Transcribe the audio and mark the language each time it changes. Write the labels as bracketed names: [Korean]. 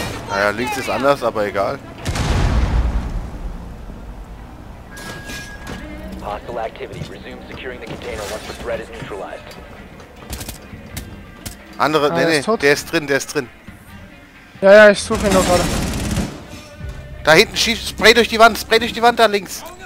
[German] Naja, links ist anders, aber egal. [English] Hostile activity. Resume securing the container once the threat is neutralized. [German] Andere, ah, nee, der ist drin, der ist drin. Ja, ja, ich suche ihn noch gerade. Da hinten schießt, spray durch die Wand da links.